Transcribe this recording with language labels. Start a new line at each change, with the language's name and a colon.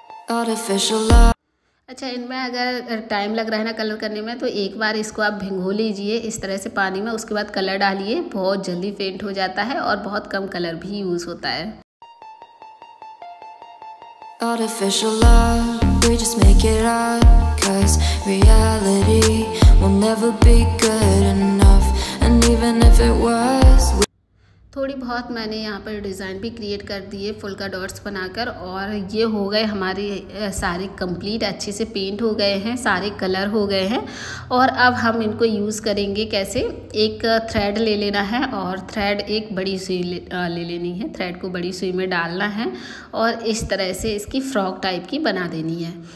Hindi: अच्छा इनमें अगर टाइम लग रहा है ना कलर करने में, तो एक बार इसको आप भिंगो लीजिए इस तरह से पानी में, उसके बाद कलर डालिए, बहुत जल्दी पेंट हो जाता है और बहुत कम कलर भी यूज होता है।
English: Artificial love, we just make it up, 'cause reality will never be good enough, and even if it was, we...
Hindi: थोड़ी बहुत मैंने यहाँ पर डिज़ाइन भी क्रिएट कर दिए फुलका डॉट्स बनाकर, और ये हो गए हमारे सारे कंप्लीट, अच्छे से पेंट हो गए हैं, सारे कलर हो गए हैं। और अब हम इनको यूज़ करेंगे कैसे, एक थ्रेड ले लेना है और थ्रेड एक बड़ी सुई ले लेनी है, थ्रेड को बड़ी सुई में डालना है और इस तरह से इसकी फ्रॉक टाइप की बना देनी है।